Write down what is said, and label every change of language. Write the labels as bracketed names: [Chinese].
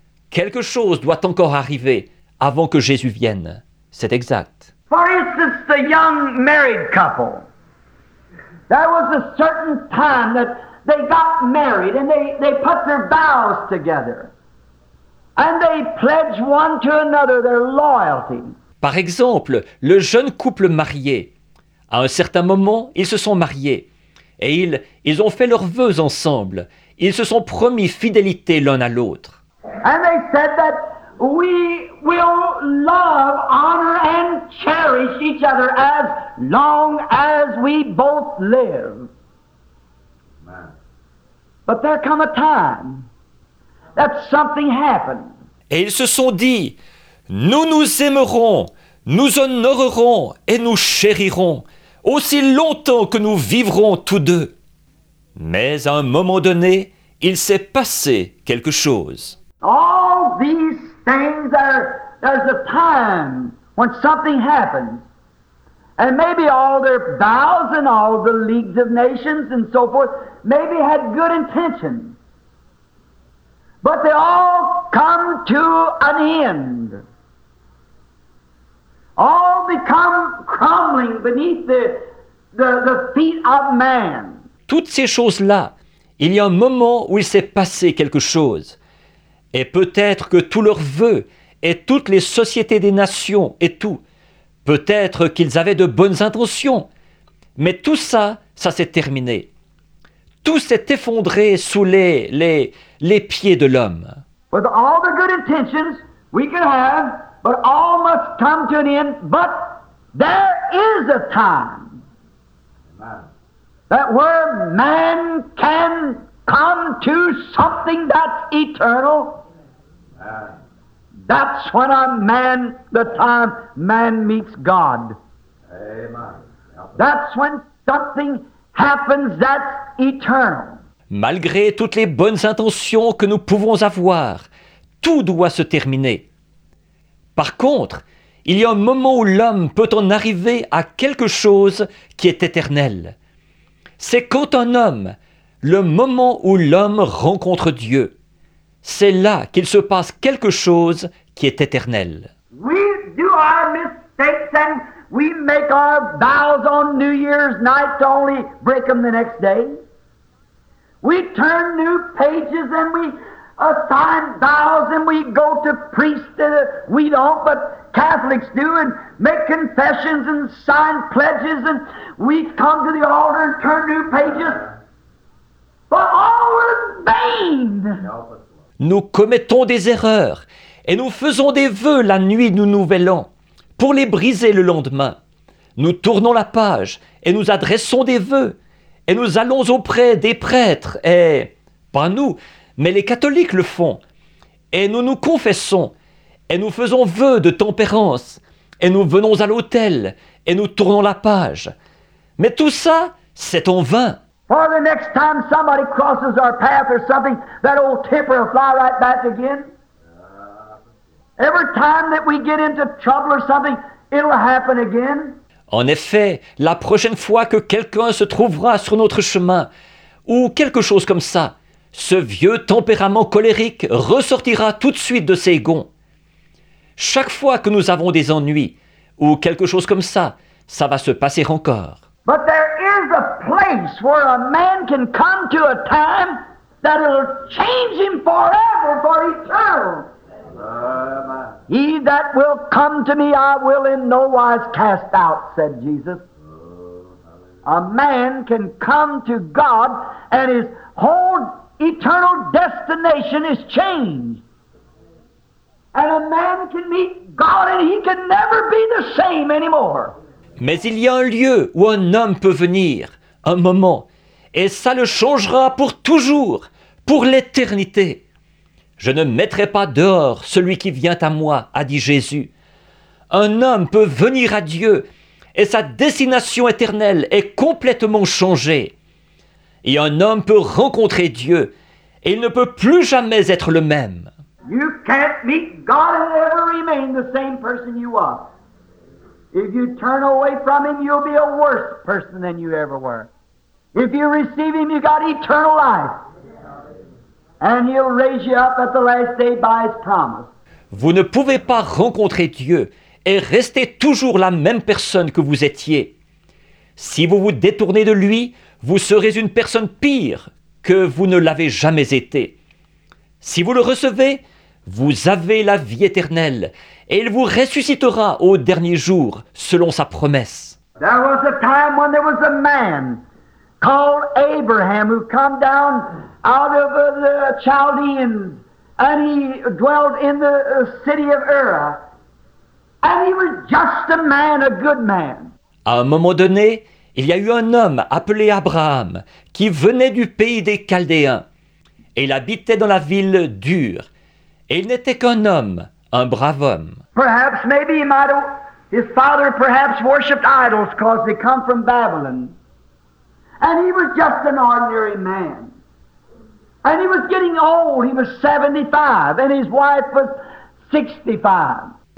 [French] Quelque chose doit encore arriver avant que Jésus vienne. C'est exact. [English] For instance, the young married couple. There was a certain time that they got married and they put their vows together. And they pledged one to another their loyalty. [French] Par exemple, le jeune couple marié. À un certain moment, ils se sont mariés. Et ils ont fait leurs vœux ensemble. Ils se sont promis fidélité l'un à l'autre. [English] And they said that we will love, honor, and cherish each other as long as we both live. Amen. But there come a time that something happened. [French] Et ils se sont dit, nous nous aimerons, nous honorerons et nous chérirons aussi longtemps que nous vivrons tous deux. Mais à un moment donné, il s'est passé quelque chose. [English] All these things are, there's a time when something happens. And maybe all their vows and all the leagues of nations and so forth, maybe had good intentions. But they all come to an end. All become crumbling beneath the feet of man. [French] Toutes ces choses-là, il y a un moment où il s'est passé quelque chose. Et peut-être que tous leurs vœux et toutes les sociétés des nations et tout, peut-être qu'ils avaient de bonnes intentions. Mais tout ça, ça s'est terminé. Tout s'est effondré sous les pieds de l'homme. [English] With all the good intentions we could have, but all must come to an end, but there is a time that where man can come to something that's eternal. Amen. That's when a man, the time man meets God. Amen. That's when something happens that's eternal. [French] Malgré toutes les bonnes intentions que nous pouvons avoir, tout doit se terminer. Par contre, il y a un moment où l'homme peut en arriver à quelque chose qui est éternel. C'est quand un homme, le moment où l'homme rencontre Dieu, c'est là qu'il se passe quelque chose qui est éternel. [English] We do our mistakes and we make our vows on New Year's night to only break them the next day. We turn new pages and we assign vows and we go to priests. We don't, but Catholics do, and make confessions and sign pledges, and we come to the altar and turn new pages. But all is vain. [French] Nous commettons des erreurs et nous faisons des vœux la nuit du Nouvel An pour les briser le lendemain. Nous tournons la page et nous adressons des vœux et nous allons auprès des prêtres et, pas nous, mais les catholiques le font. Et nous nous confessons et nous faisons vœux de tempérance et nous venons à l'autel et nous tournons la page. Mais tout ça, c'est en vain. [English] Or the next time somebody crosses our path or something, that old temper will fly right back again. Every time that we get into trouble or something, it'll happen again. [French] En effet, la prochaine fois que quelqu'un se trouvera sur notre chemin, ou quelque chose comme ça, ce vieux tempérament colérique ressortira tout de suite de ses gonds. chaque fois que nous avons des ennuis ou quelque chose comme ça, ça va se passer encore. [English] But there is a place where a man can come to a time that will change him forever for eternal. He that will come to me, I will in no wise cast out, said Jesus. A man can come to God and his whole eternal destination is changed. And a man can meet God and he can never be the same anymore. [French] Mais il y a un lieu où un homme peut venir, un moment, et ça le changera pour toujours, pour l'éternité. Je ne mettrai pas dehors celui qui vient à moi, a dit Jésus. Un homme peut venir à Dieu et sa destination éternelle est complètement changée. Et un homme peut rencontrer Dieu et il ne peut plus jamais être le même. [English] You can't meet God and ever remain the same person you are. If you turn away from him, you'll be a worse person than you ever were. If you receive him, you got eternal life. And he'll raise you up at the last day by his promise. [French] Vous ne pouvez pas rencontrer Dieu et rester toujours la même personne que vous étiez. Si vous vous détournez de lui, vous serez une personne pire que vous ne l'avez jamais été. Si vous le recevez, vous avez la vie éternelle et il vous ressuscitera au dernier jour selon sa promesse. [English] There was a time when there was a man called Abraham who came down out of the Chaldeans and he dwelt in the city of Ur. And he was just a man, a good man. [French] À un moment donné, il y a eu un homme appelé Abraham qui venait du pays des Chaldéens et il habitait dans la ville d'Ur. Et il n'était qu'un homme, un brave homme. [English] Perhaps maybe he might have, his father perhaps worshipped idols because they come from Babylon. And he was just an ordinary man. And he was getting old, he was 75 and his wife was 65.